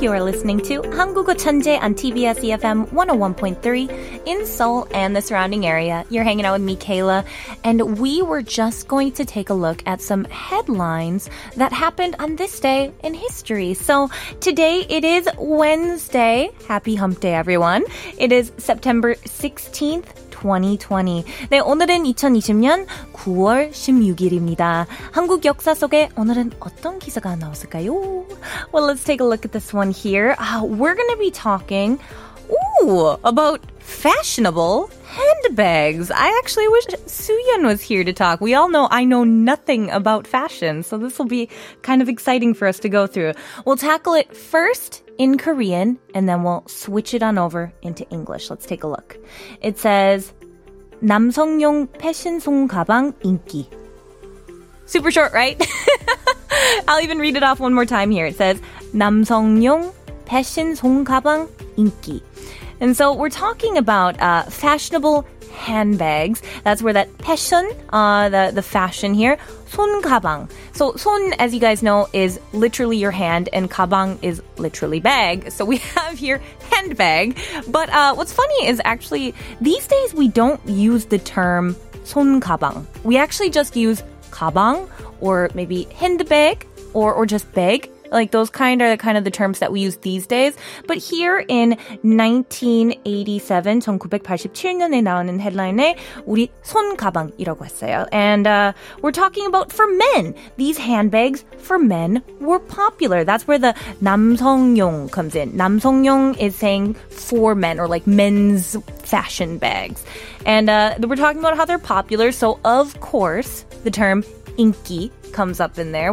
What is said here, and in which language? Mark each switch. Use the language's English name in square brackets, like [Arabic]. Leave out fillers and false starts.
[English] You are listening to 한국어 천재 on TBS EFM 101.3 in Seoul and the surrounding area. You're hanging out with me, Kayla, and we were just going to take a look at some headlines that happened on this day in history. So today it is Wednesday. Happy hump day, everyone. It is September 16th. 2020. [Korean] 네, 오늘은 2020년 9월 16일입니다. 한국 역사 속에 오늘은 어떤 기사가 나왔을까요? [English] Well, let's take a look at this one here. We're going to be talking about fashionable handbags. I actually wish Suyun was here to talk. We all know I know nothing about fashion, so this will be kind of exciting for us to go through. We'll tackle it first in Korean, and then we'll switch it on over into English. Let's take a look. It says, [Korean] 남성용 패션송 가방 인기. [English] Super short, right? I'll even read it off one more time here. It says, [Korean] 남성용 패션송 가방 인기. [English] And so we're talking about fashionable handbags. That's where that passion, the fashion here, 손 가방. So 손, as you guys know, is literally your hand, and 가방 is literally bag. So we have here handbag. But what's funny is actually these days we don't use the term 손 가방. We actually just use 가방 or maybe handbag or just bag. Like, those kind are kind of the terms that we use these days. But here in 1987, [Korean] 1987년에 나오는 headline에 우리 손 가방이라고 했어요. [English] And we're talking about for men. These handbags for men were popular. That's where the 남성용 comes in. 남성용 is saying for men, or like men's fashion bags. And we're talking about how they're popular. So, of course, the term 인기 comes up in there.